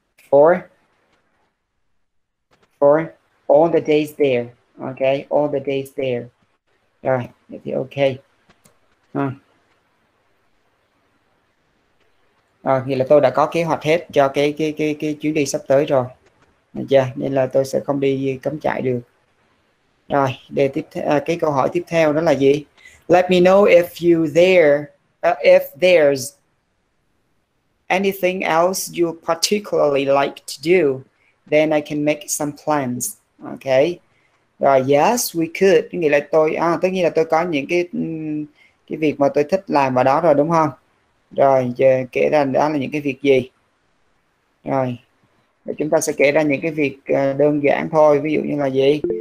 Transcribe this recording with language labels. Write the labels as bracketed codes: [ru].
[en] For all the days there. Okay. All the days there. [vi] Rồi. Thì [en] okay. [vi] Thì là tôi đã có kế hoạch hết cho cái chuyến đi sắp tới rồi. Được chưa? Nên là tôi sẽ không đi cắm trại được. Rồi, để tiếp cái câu hỏi tiếp theo đó là gì? [en] Let me know if there's anything else you particularly like to do, then I can make some plans. Okay. [vi] Rồi, [en] yes, we could. [vi] Nghĩa là tôi, tất nhiên là tôi có những cái việc mà tôi thích làm vào đó rồi đúng không? Rồi, giờ kể ra đó là những cái việc gì? Rồi, chúng ta sẽ kể ra những cái việc đơn giản thôi. Ví dụ như là gì?